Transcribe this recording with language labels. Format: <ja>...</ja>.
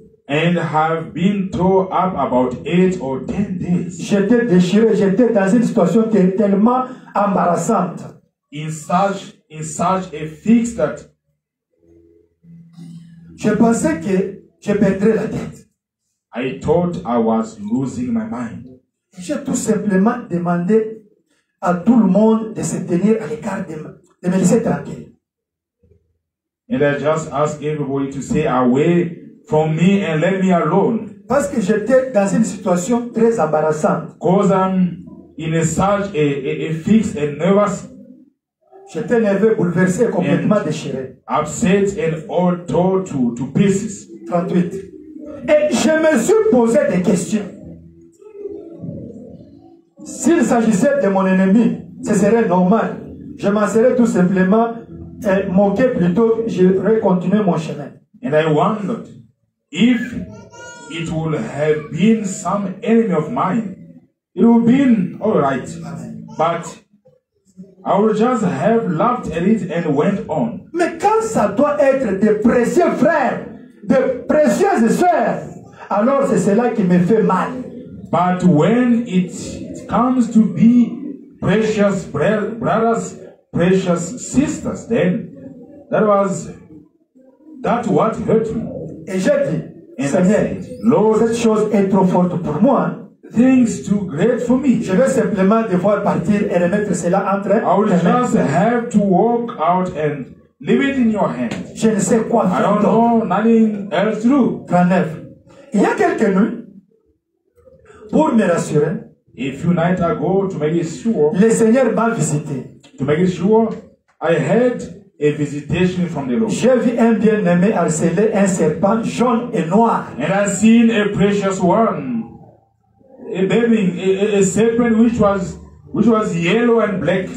<en>and have been tore up about 8 or 10 days.</en> <fr>J'étais déchiré, j'étais dans une situation qui est tellement embarrassante.</fr> <en>In such a fix that</en> <fr>je pensais que je perdrais la tête.</fr> <en>I thought I was losing my mind.</en> <fr>J'ai tout simplement demandé à tout le monde de se tenir à l'écart de me laisser tranquille.</fr> <en>And I just asked everybody to stay away from me and let me alone.</en> <fr>Parce que j'étais dans une situation très embarrassante.</fr> <en>Cause I'm in such a fix and nervous.</en> <fr>J'étais nerveux, bouleversé, complètement déchiré.</fr> <en>Upset and all torn to pieces.</en> <fr>38. Et je me suis posé des questions. S'il s'agissait de mon ennemi, ce serait normal. Je m'en serais tout simplement manquer plutôt, je continué mon chemin.</fr> <en>And I wondered if it would have been some enemy of mine, it would been all right. But I would just have laughed at it and went on.</en> <fr>Mais quand ça doit être des précieux frères, des précieuses sœurs, alors c'est cela qui me fait mal.</fr> <en>But when it comes to be precious brothers, precious sisters, then that what hurt me.</en> <fr>Et j'ai dit, and Seigneur, said,</fr> <en>Lord,</en> <fr>cette chose est trop forte pour moi.</fr> <en>Things too great for me.</en> <fr>Je vais simplement devoir partir et remettre cela entre.</fr> <en>I will just have to walk out and leave it in your hand.</en> <fr>Je ne sais quoi faire.</fr> <en>I don't know nothing else to do. 39.</en> <fr>Il y a quelques nuits, pour me rassurer,</fr> <en>a few nights ago, to make it sure,</en> <fr>le Seigneur m'a visité.</fr> <en>To make sure, I had a visitation from the Lord.</en> <fr>J'ai vu un bien-aimé harceler un serpent jaune et noir.</fr> <en>And I seen a precious one, a baby, a serpent which was yellow and black.</en>